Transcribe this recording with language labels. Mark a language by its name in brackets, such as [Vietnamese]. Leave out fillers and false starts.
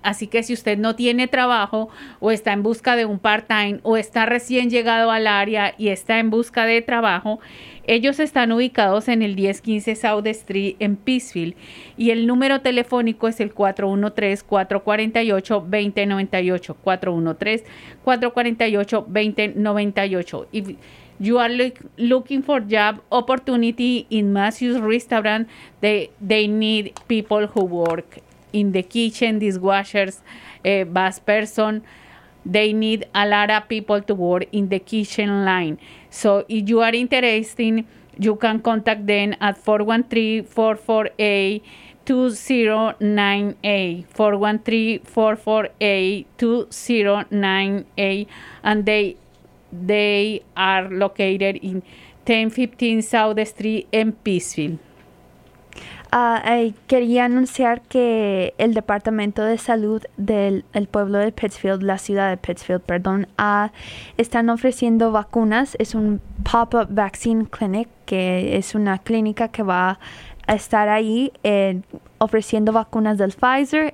[Spanish] Así que si usted no tiene trabajo o está en busca de un part-time o está recién llegado al área y está en busca de trabajo, ellos están ubicados en el 1015 South Street en Pittsfield y el número telefónico es el 413-448-2098, 413-448-2098. [English] If you are looking for job opportunity in Matthew's Restaurant, they need people who work in the kitchen, dishwashers, bus person. They need a lot of people to work in the kitchen line. So if you are interested, you can contact them at 413-448-2098, 413-448-2098, and they are located in 1015 South Street in Pittsfield. [Spanish] Quería anunciar que el Departamento de Salud del el pueblo de Pittsfield, la ciudad de Pittsfield, perdón, están ofreciendo vaccines. Es un [English] pop-up vaccine clinic, [Spanish] que es una clínica que va a estar ahí ofreciendo vacunas del Pfizer.